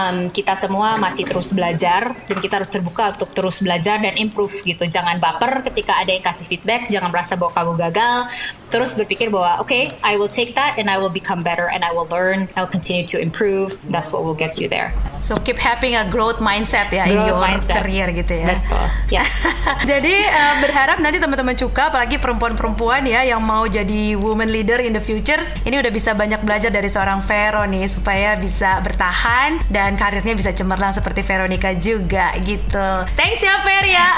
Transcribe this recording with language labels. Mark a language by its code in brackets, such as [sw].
[id] Kita semua masih terus belajar dan kita harus terbuka untuk terus belajar dan improve gitu. Jangan baper ketika ada yang kasih feedback, jangan merasa bahwa kamu gagal. Terus berpikir bahwa [en] okay, I will take that and I will become better and I will learn, I will continue to improve. That's what will get you there. So keep having a growth mindset ya, growth in your mindset. [id] Career gitu ya. Betul. Yes. Jadi berharap nanti teman-teman Cuka, apalagi perempuan-perempuan ya yang mau jadi [en] woman leader in the futures, [id] ini udah bisa banyak belajar dari seorang Vero nih supaya bisa bertahan dan karirnya bisa cemerlang seperti Veronica juga gitu. Thanks ya Fer ya.